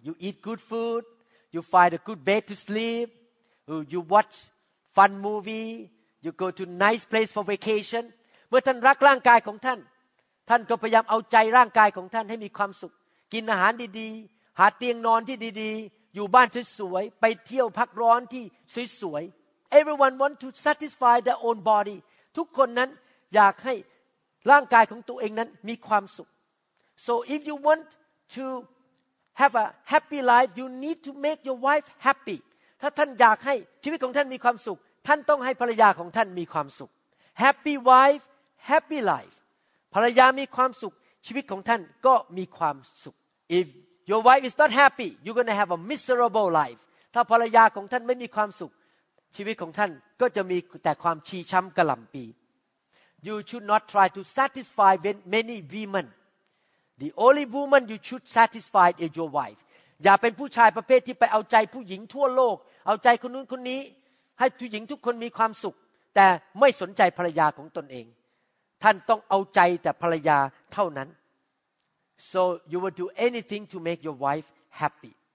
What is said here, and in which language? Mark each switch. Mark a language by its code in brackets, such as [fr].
[en] You eat good food, you find a good bed to sleep, you watch fun movie, you go to nice place for vacation. [th] เมื่อท่านรักร่างกายของท่านท่านก็พยายามเอาใจร่างกายของท่านให้มีความสุขกินอาหารดีๆหาเตียงนอนที่ดีๆอยู่บ้านสวยๆไปเที่ยวพักร้อนที่สวยๆ [en] Everyone want to satisfy their own body [th] ทุกคนนั้นอยากให้ร่างกายของตัวเองนั้นมีความสุข [en] So if you want to have a happy life you need to make your wife happy [th] ถ้าท่านอยากให้ชีวิตของท่านมีความสุข [en] ท่านต้องให้ภรรยาของท่านมีความสุข Happy wife happy life [th] ภรรยามีความสุขชีวิตของท่านก็มีความสุข [en] If your wife is not happy, you're going to have a miserable life. [th] ถ้าภรรยาของท่านไม่มีความสุขชีวิตของท่านก็จะมีแต่ความชีช้ำกระหล่ำปี [en] You should not try to satisfy many women. The only woman you should satisfy is your wife. [th] อย่าเป็นผู้ชายประเภทที่ไปเอาใจผู้หญิงทั่วโลกเอาใจคนนู้นคนนี้ให้ผู้หญิงทุกคนมีความสุขแต่ไม่สนใจภรรยาของตนเองท่านต้องเอาใจแต่ภรรยาเท่านั้น [en] So you will do anything to make your wife happy.